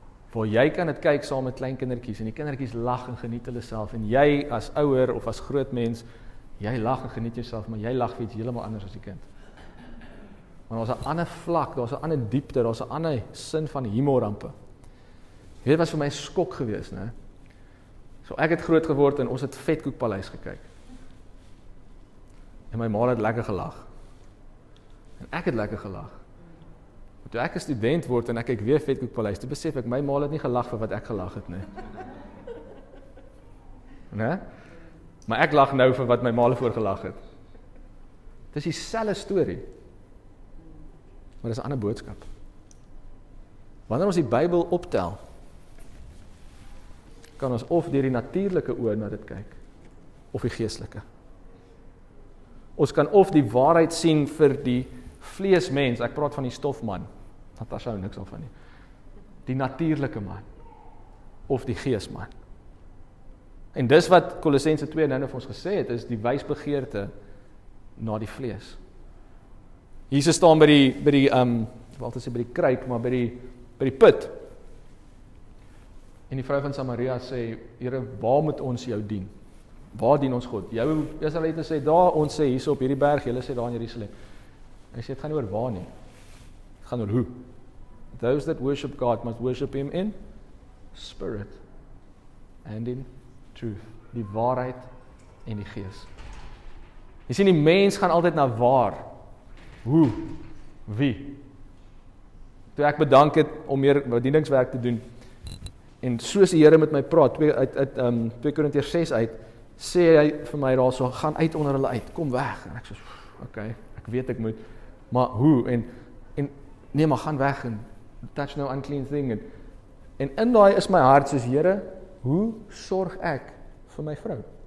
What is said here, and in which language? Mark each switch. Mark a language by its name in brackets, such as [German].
[Afrikaans] waar jy kan het kyk saam met klein kindertjies, en die kindertjies lag en geniet hulle self, en jy as ouer of as groot mens, jy lag en geniet jouself, maar jy lag iets helemaal anders as die kind. Maar daar was 'n ander vlak, daar was 'n ander diepte, daar was 'n ander sin van humorrampe. Dit was vir my skok gewees, ne? So ek het groot geword en ons het Vetkoekpaleis gekyk. En my ma het lekker gelag. En ek het lekker gelag. Maar toe ek 'n student word en ek kyk weer Vetkoekpaleis, toe besef ek my ma het nie gelag vir wat ek gelag het nie. Né? Maar ek lag nou vir wat my ma voor gelag het. Dit is dieselfde storie. Maar dit is 'n ander boodskap. Wanneer ons die Bybel optel, kan ons of deur die natuurlike oë na dit kyk of die geestelike. Ons kan of die waarheid sien vir die vleesmens, ek praat van die stofman, Natasha hou niks van nie. Die natuurlike man of die geesman. En dis wat Kolossense 2 nou vir ons gesê het, is die wysbegeerte na die vlees. Jesus staan by die put. En die vrou van Samaria sê, Here, waar moet ons jou dien? Waar dien ons God? Jou Israelite sê, daar ons sê, hier op hierdie berg, jylle sê daar in Jerusalem. En hy sê, het gaan oor waar nie. Het gaan oor hoe. [English] Those that worship God must worship him in spirit and in truth. [Afrikaans] Die waarheid en die gees. Jy sien, die mens gaan altyd na waar. Hoe? Wie? Toe ek bedank het om meer bedieningswerk te doen, en soos die Here met my praat, uit 2 Korintiërs 6 uit, sê hy vir my daar so, gaan uit onder hulle uit, kom weg, en ek sê, ok, ek weet ek moet, maar hoe, en nee, maar gaan weg, en [English] touch no unclean thing, [Afrikaans] en in daai is my hart soos, Here, hoe sorg ek vir my vrou?